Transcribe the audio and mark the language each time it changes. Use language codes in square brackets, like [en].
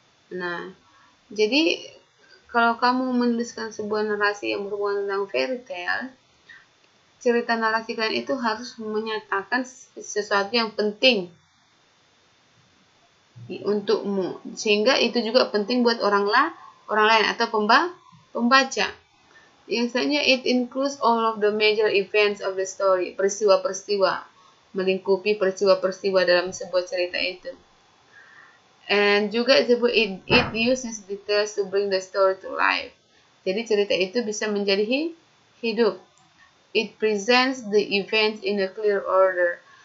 [id] Nah, jadi kalau kamu menuliskan sebuah narasi yang berhubungan tentang fairy tale, cerita narasi kalian itu harus menyatakan sesuatu yang penting untukmu. Sehingga itu juga penting buat orang lain atau pembaca. Yang selanjutnya, [en] it includes all of the major events of the story. [id] Peristiwa-peristiwa. Melingkupi peristiwa-peristiwa dalam sebuah cerita itu. [en] And [id] juga disebut [en] it uses details to bring the story to life. [id] Jadi cerita itu bisa menjadi hidup. [en] It presents the events in a clear order.